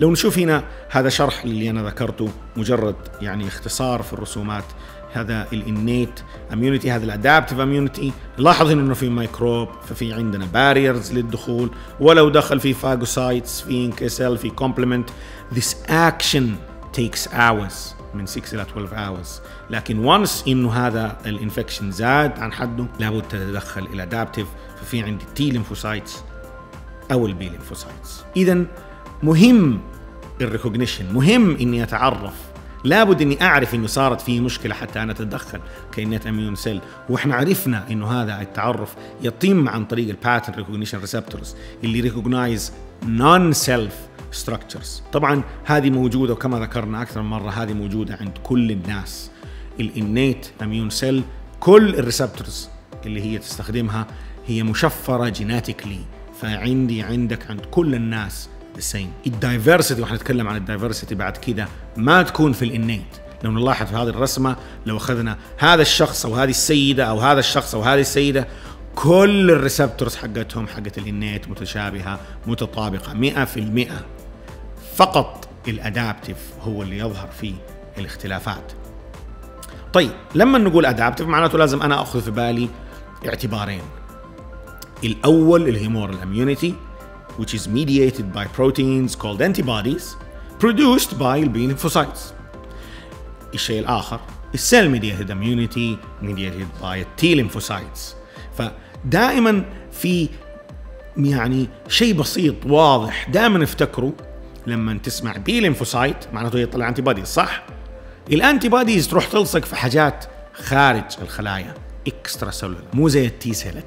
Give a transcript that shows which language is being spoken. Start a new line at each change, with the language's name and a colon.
Arabic: لو نشوف هنا هذا شرح اللي انا ذكرته, مجرد يعني اختصار في الرسومات. هذا الانيت اميونيتي, هذا الادابتيف اميونيتي. لاحظ انه في ميكروب, ففي عندنا باريرز للدخول, ولو دخل في فاجوسايتس, في انكسل, في كومبلمنت.
English: This action takes hours,
Arabic: من 6 إلى
English: 12 hours.
Arabic: لكن
English: once
Arabic: إنه هذا الانفكشن زاد عن حده, لابد تتدخل إلى أدابتيف. ففي عندي T lymphocytes أو B lymphocytes. إذن مهم الريكوجنيشن, مهم إني أتعرف, لابد إني أعرف إنه صارت فيه مشكلة حتى أنا أتدخل كإنيت أميون سيل. وإحنا عرفنا إنه هذا التعرف يتم عن طريق الباترن ريكوجنيشن ريسبتورز اللي ريكوجنايز نون سيلف structures. طبعا هذه موجودة, وكما ذكرنا أكثر مرة, هذه موجودة عند كل الناس. الإنيت أميون سيل, كل الريسبتورز اللي هي تستخدمها هي مشفرة جيناتيكلي, فعندي عندك عند كل الناس
English: the same.
Arabic: الدايفيرسيتي, وحنتكلم عن الدايفيرسيتي بعد كده, ما تكون في الإنيت. لو نلاحظ في هذه الرسمة, لو أخذنا هذا الشخص أو هذه السيدة أو هذا الشخص أو هذه السيدة, كل الريسبتورز حقتهم حقت الانيت متشابهة متطابقة 100%. فقط الادابتيف هو اللي يظهر فيه الاختلافات. طيب لما نقول ادابتيف معناته لازم انا اخذ في بالي اعتبارين. الاول الهيمورال اميونيتي,
English: which is mediated by proteins called antibodies produced by the B lymphocytes.
Arabic: الشيء الاخر السيل ميديتد اميونيتي,
English: mediated by T lymphocytes.
Arabic: ف دائما في يعني شيء بسيط واضح دائما افتكره, لما تسمع بي لينفوسايت معناته يطلع انتيبادي. صح, الانتيبادز تروح تلصق في حاجات خارج الخلايا, اكسترا سيلولر, مو زي التي سيل.